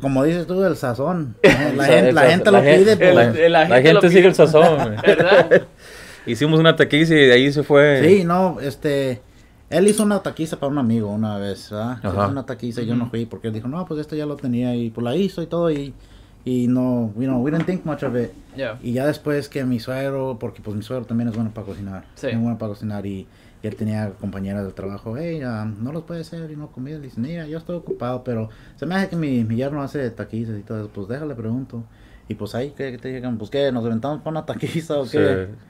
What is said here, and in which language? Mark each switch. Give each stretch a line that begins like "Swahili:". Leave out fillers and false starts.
Spanish: como dices tú, el sazón. La gente lo pide. La gente sigue el sazón. ¿Verdad? Hicimos una taquiza y de ahí se fue. Sí, no, él hizo una taquiza para un amigo una vez, ¿verdad? Hizo una taquiza y yo no fui porque él dijo, no, pues esto ya lo tenía y pues la hizo y todo y... Y no,
English: you know, we didn't think much of it. Yeah.
Spanish: Y ya después que mi suegro, porque pues mi suegro también es bueno para cocinar. Sí. Es bueno para cocinar y él tenía compañeras del trabajo. Hey, no los puede hacer y no comida. Dice, mira, yo estoy ocupado, pero se me hace que mi yerno hace taquizas y todo eso. Pues déjale, pregunto. Y pues ahí, ¿qué te llegan? Pues, ¿qué? ¿Nos aventamos para una taquiza o qué?